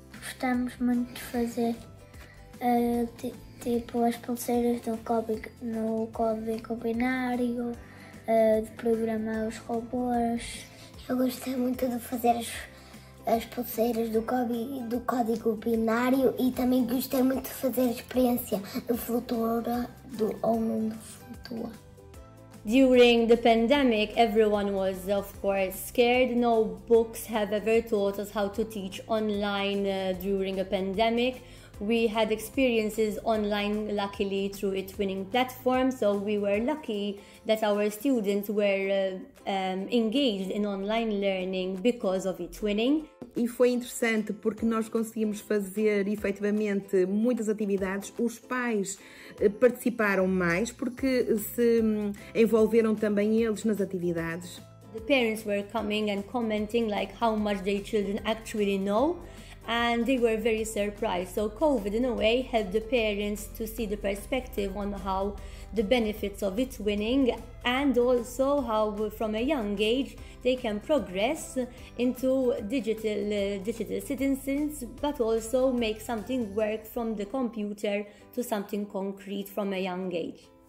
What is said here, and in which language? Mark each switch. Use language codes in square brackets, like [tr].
[pt] Gostamos muito de fazer as pulseiras no código binário, de programar os robôs. Eu gostei muito de fazer as, as pulseiras do código binário e também gostei muito de fazer a experiência do futuro do mundo futuro. [en] During the pandemic, everyone was, of course, scared. No books have ever taught us how to teach online during a pandemic. We had experiences online, luckily, through eTwinning platform, so we were lucky that our students were engaged in online learning because of eTwinning. [pt] E foi interessante porque nós conseguimos fazer, efetivamente, muitas atividades. Os pais participaram mais porque se envolveram também eles nas atividades. [en] The parents were coming and commenting like how much their children actually know. And they were very surprised. So COVID, in a way, helped the parents to see the perspective on how the benefits of eTwinning and also how, from a young age, they can progress into digital citizens, but also make something work from the computer to something concrete from a young age.